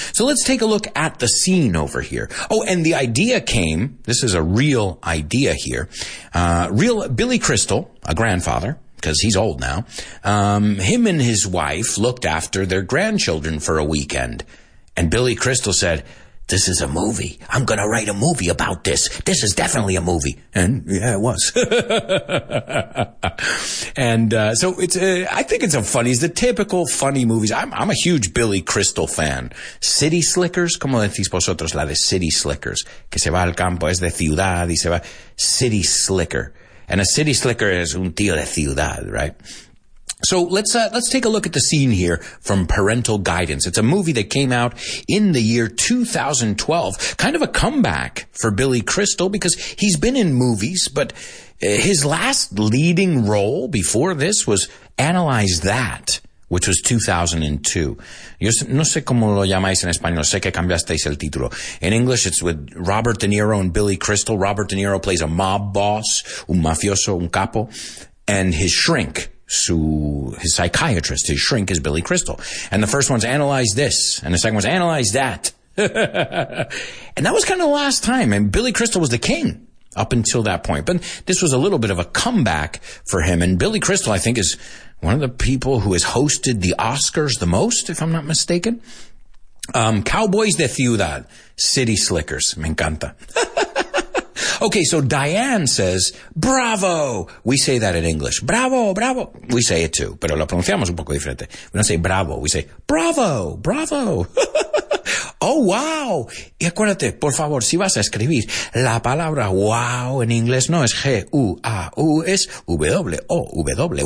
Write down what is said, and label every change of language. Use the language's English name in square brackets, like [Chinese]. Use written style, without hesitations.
[English] So let's take a look at the scene over here. Oh, and the idea came, this is a real idea here, real Billy Crystal, a grandfather, because he's old now, him and his wife looked after their grandchildren for a weekend, and Billy Crystal said, "This is a movie. I'm going to write a movie about this. This is definitely a movie." And yeah, it was. And so I think it's a funny, it's the typical funny movies. I'm a huge Billy Crystal fan. [Spanish] City Slickers, como decís vosotros, la de City Slickers. Que se va al campo, es de ciudad y se va. [English] City Slicker. And a city slicker is [Spanish] un tío de ciudad, [English] right? So let's take a look at the scene here from Parental Guidance. It's a movie that came out in the year 2012. Kind of a comeback for Billy Crystal because he's been in movies, but his last leading role before this was Analyze That, which was 2002. [Spanish] Yo no sé cómo lo llamáis en español. Sé que cambiasteis el título. [English] In English, it's with Robert De Niro and Billy Crystal. Robert De Niro plays a mob boss, [Spanish] un mafioso, un capo, [English] and his shrink. So his psychiatrist, his shrink, is Billy Crystal. And the first one's Analyze This, and the second one's Analyze That. And that was kind of the last time. And Billy Crystal was the king up until that point. But this was a little bit of a comeback for him. And Billy Crystal, I think, is one of the people who has hosted the Oscars the most, if I'm not mistaken. [Spanish] Cowboys de Ciudad, City Slickers. Me encanta. [English] Okay, so Diane says, bravo. We say that in English. Bravo, bravo. We say it too, [Spanish] pero lo pronunciamos un poco diferente. [English] We don't say bravo, we say bravo, bravo. Oh, wow. [Spanish] Y acuérdate, por favor, si vas a escribir, la palabra wow en inglés no es G-U-A-U, es W-O-W.